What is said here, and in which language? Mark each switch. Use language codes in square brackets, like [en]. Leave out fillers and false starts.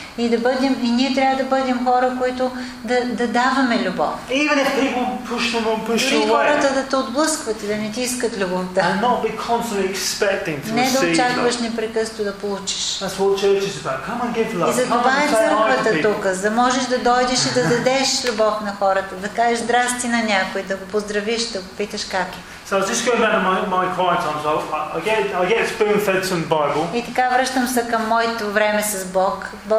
[bg] И да бъдем, и ние трябва да бъдем хора, които да даваме любов. [en] Even if people push them or push away. [bg] И хората да те отблъскват и да не ти искат любовта. [en] And not be constantly expecting to receive. [bg] Не да очакваш непрекъснато да получиш. [en] That's what church is about. Come and give love. [bg] И за това е църквата тук, за можеш да дойдеш и да дадеш любов на хората, да кажеш здрасти на някой, да го поздравиш, да го питаш как е. [en] So I was just going back to my quiet time. So I get spoon-fed some Bible. [bg] И така връщам се към моето време с Бог.